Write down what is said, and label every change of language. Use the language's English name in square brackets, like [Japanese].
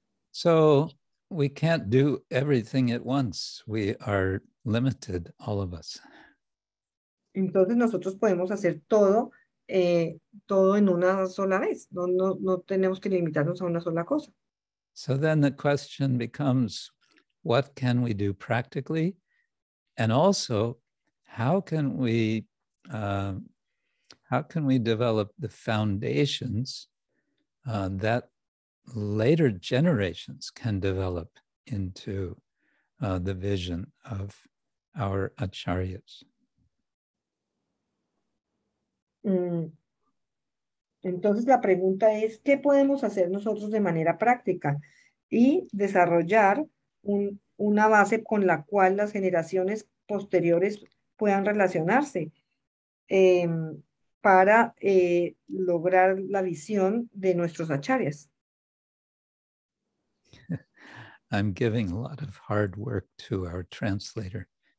[English] So we can't do everything at once. We are limited, all of us. [Spanish] Entonces nosotros podemos hacer todo todo en una sola vez. No tenemos que limitarnos a una sola cosa. [English] So then the question becomes, what can we do practically? And also, how can we develop the foundations that later generations can develop into the vision of our acharyas? [Spanish] Entonces la pregunta es, ¿qué podemos hacer nosotros de manera práctica y desarrollar una base con la cual las generaciones posteriores puedan relacionarse para lograr la visión de nuestros acharyas? [English] I'm giving a lot of hard work to our translator.